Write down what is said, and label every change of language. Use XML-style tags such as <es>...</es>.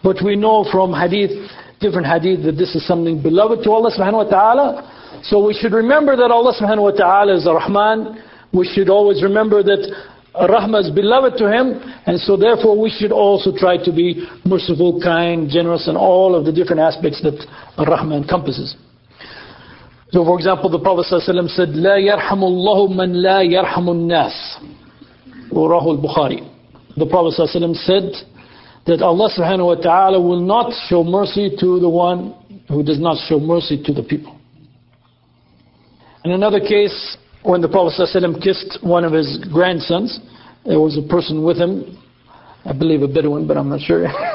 <en>But we know from hadith, different hadith, that this is something beloved to Allah subhanahu wa ta'ala. So we should remember that Allah subhanahu wa ta'ala is Ar-Rahman. We should always remember that Rahmah is beloved to Him. And so therefore we should also try to be merciful, kind, generous, and all of the different aspects that Rahmah encompasses. So for example, the Prophet ﷺ said,</en> <ar>لا يرحم الله من لا يرحم الناس. رواه البخاري.</ar> <en>The Prophet ﷺ said that Allah subhanahu wa ta'ala will not show mercy to the one who does not show mercy to the people. In another case, when the Prophet ﷺ kissed one of his grandsons, there was a person with him, I believe a Bedouin, but I'm not sure.</en>